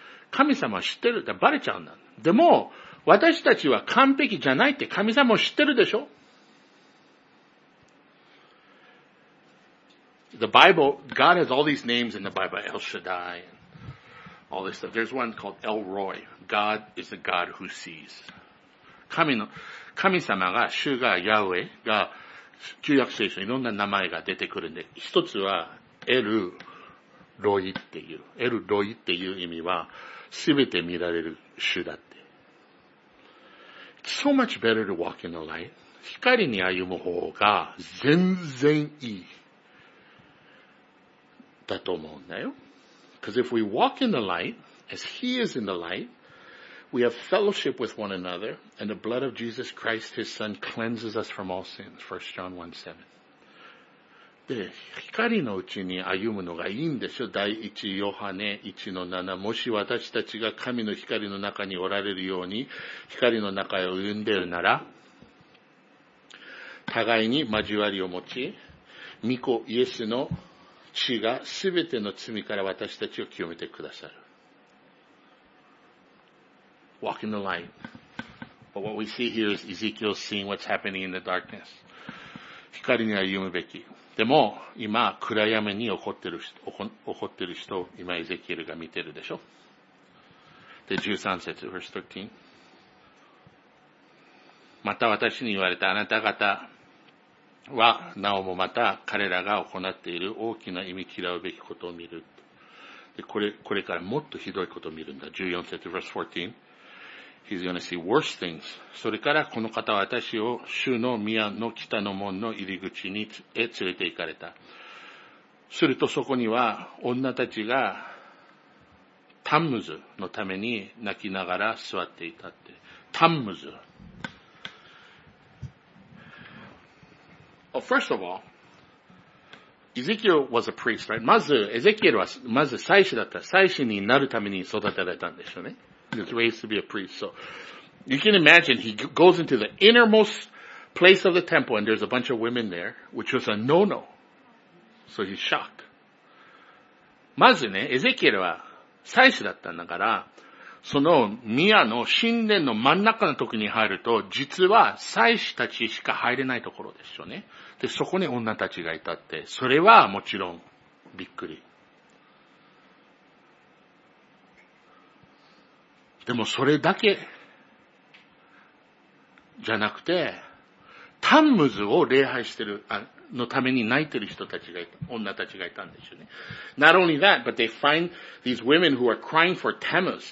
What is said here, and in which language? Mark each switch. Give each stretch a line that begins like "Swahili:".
Japanese: 神様は知ってるってバレちゃうんだ。でも、私たちは完璧じゃないって神様も知ってるでしょ？
English: The Bible, God has all these names in the Bible, El Shaddai, and all this stuff. There's one called El Roy. God is the God who sees.
Japanese: 神様が、主が、ヤウェが、旧約聖書にいろんな名前が出てくるんで、一つは、エル・ロイっていう。エル・ロイっていう意味は、すべて見られる主だって。
English: It's so much better to walk in the light.
Japanese: 光に歩む方が、全然いい。だと思うんだよ。
English: Because if we walk in the light, as He is in the light, we have fellowship with one another, and the blood of Jesus Christ, His Son, cleanses us from all sins. 1 John 1, 7.
Japanese: で、光のうちに歩むのがいいんでしょ。第1ヨハネ 1-7。もし私たちが神の光の中におられるように、光の中へ歩んでるなら、互いに交わりを持ち、御子イエスの死がすべての罪から私たちを清めてくださる。
English: Walk in the light. But what we see here is Ezekiel seeing what's happening in the darkness.
Japanese: 光には歩むべき。でも、今、暗闇に起こってる人、今エゼキエルが見てるでしょ。で、13節、
English: verse 13。
Japanese: また私に言われたあなた方、は、なおもまた彼らが行っている大きな忌み嫌うべきことを見る。で、これからもっとひどいことを見るんだ。
English: 14節 verse 14. He's going to see worse things.
Japanese: それからこの方は私を主の宮の北の門の入り口に連れて行かれた。するとそこには女たちがタンムズのために泣きながら座っていたって。タンムズ。
English: Well, first of all, Ezekiel was a priest, right?
Japanese: まず、エゼキエルは、まず祭司だった。祭司になるために育てられたんでしょうね。
English: He was raised to be a priest. So, you can imagine, he goes into the innermost place of the temple and there's a bunch of women there, which was a no-no. So he's shocked.
Japanese: まずね、エゼキエルは祭司だったんだから、その宮の神殿の真ん中の時に入ると、実は祭司たちしか入れないところですよね。で、そこに女たちがいたって、それはもちろんびっくり。でもそれだけじゃなくて、タンムズを礼拝してる、のために泣いてる人たちがいた、女たちがいたんですよね。
English: Not only that, but they find these women who are crying for Tammuz.